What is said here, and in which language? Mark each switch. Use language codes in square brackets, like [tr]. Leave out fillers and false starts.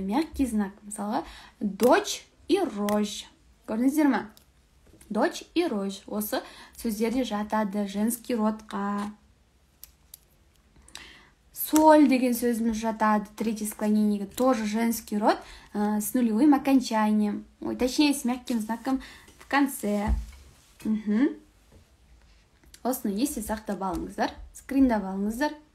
[ru] Мягкий знак, мысалы, дочь и рожь. [kk] Көрдіңіздер ма? [ru] Дочь и рожь. [kk] Осы сөздерде жатады женский родқа. Соль деген сөзіміз жатады третий склонениеге. [ru] Тоже женский род с нулевым окончанием. Ой, точнее, с мягким знаком в конце. Угу. [kk] Осыны есте сақтап алыңыздар. Скриндап алыңыздар.